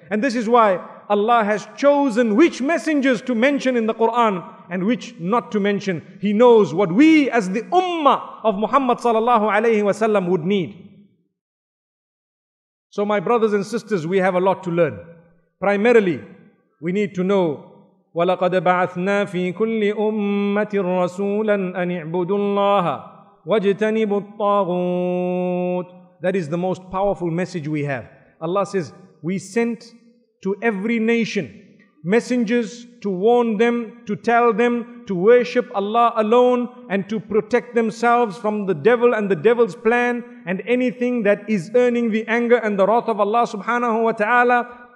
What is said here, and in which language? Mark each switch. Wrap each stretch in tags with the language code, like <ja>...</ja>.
<en>And this is why Allah has chosen which messengers to mention in the Qur'an and which not to mention. He knows what we as the ummah of Muhammad sallallahu alayhi wa sallam would need. So my brothers and sisters, we have a lot to learn. Primarily, we need to know,</en> <ar>وَلَقَدْ بَعَثْنَا فِي كُلِّ أُمَّةٍ رَسُولًا أَنِ اعْبُدُوا اللَّهَ وَاجْتَنِبُوا الطَّاغُوتِ.</ar> <en>That is the most powerful message we have. Allah says, we sent to every nation messengers to warn them, to tell them to worship Allah alone and to protect themselves from the devil and the devil's plan and anything that is earning the anger and the wrath of Allah subhanahu wa ta'ala.</en>